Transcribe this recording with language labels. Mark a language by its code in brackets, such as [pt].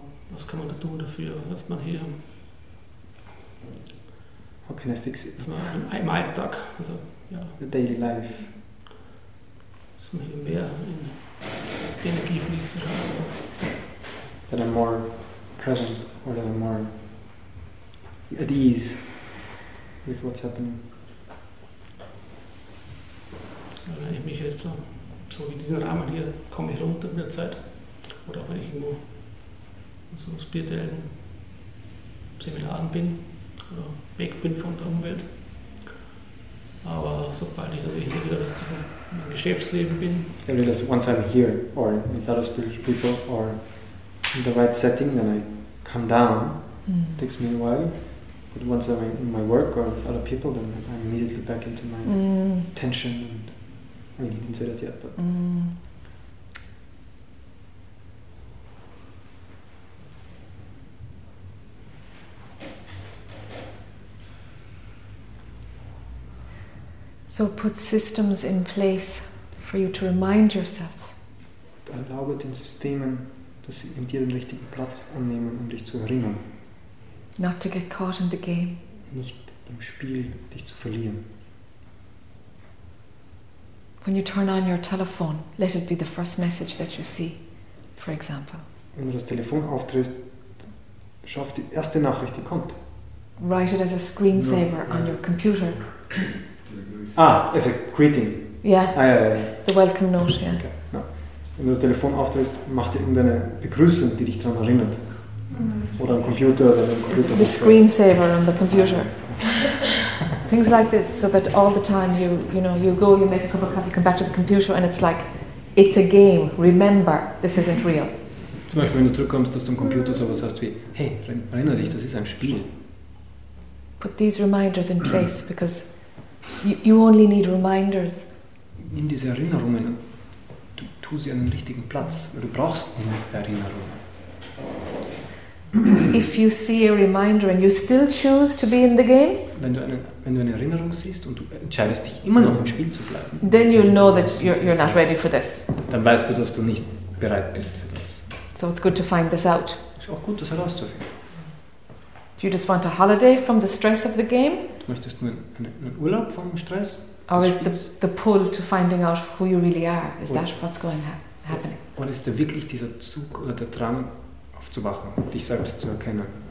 [de] Was kann man da tun dafür, dass man hier... [en] How can I fix it? [de] Im Alltag, also, ja. [en] The daily life. [de] Dass man hier mehr in Energie fließen kann. [en] That I'm more present, or that I'm more at ease with what's happening. [de] Ja, wenn ich mich jetzt so wie diesen Rahmen hier, komme ich runter mit der Zeit, oder auch wenn ich irgendwo... in so spirituellen Seminaren bin oder weg bin von der Umwelt. Aber sobald ich also hier wieder in meinem Geschäftsleben bin. [en] I realize once I'm here or with other spiritual people or in the right setting, then I come down. Mm-hmm. It takes me a while. But once I'm in my work or with other people, then I'm immediately back into my tension and I mean, you didn't say that yet, but So put systems in place for you to remind yourself. [de] Erlaube den Systemen, dass sie in dir den richtigen Platz annehmen, um dich zu erinnern. [en] Not to get caught in the game. [de] Nicht im Spiel dich zu verlieren. [en] When you turn on your telephone, let it be the first message that you see, for example. [de] Wenn du das Telefon aufdrehst, schau auf die erste Nachricht, die kommt. [en] Write it as a screensaver on your computer. Ah, it's a greeting. Yeah. [de] Ah, ja, ja, ja. [en] The welcome note, yeah. Okay. No. [de] Wenn du das Telefon aufdrehst, mach dir irgendeine Begrüßung, die dich daran erinnert. Mm. Oder ein Computer, oder ein Computer. [en] The screensaver on the computer. Things like this, so that all the time you go, you make a cup of coffee, come back to the computer, and it's like, it's a game, remember, this isn't real. [de] Zum Beispiel, wenn du zurückkommst, dass du am Computer sowas hast wie, hey, erinnere dich, das ist ein Spiel. [en] Put these reminders in place, because you only need reminders. [de] Nimm diese Erinnerungen und tu sie an den richtigen Platz. Du brauchst nur Erinnerungen. [en] If you see a reminder and you still choose to be in the game, [de] wenn du eine Erinnerung siehst und du entscheidest dich immer noch im Spiel zu bleiben, [en] then you'll know that you're not ready for this. [de] Dann weißt du, dass du nicht bereit bist für das. [en] So it's good to find this out. [de] Ist auch gut, das herauszufinden. [en] Do you just want a holiday from the stress of the game? [de] Du möchtest nur einen Urlaub vom Stress? [en] Or is the pull to finding out who you really are? Is that what's going happening? [de] Oder ist da wirklich dieser Zug oder der Drang aufzuwachen, dich selbst zu erkennen?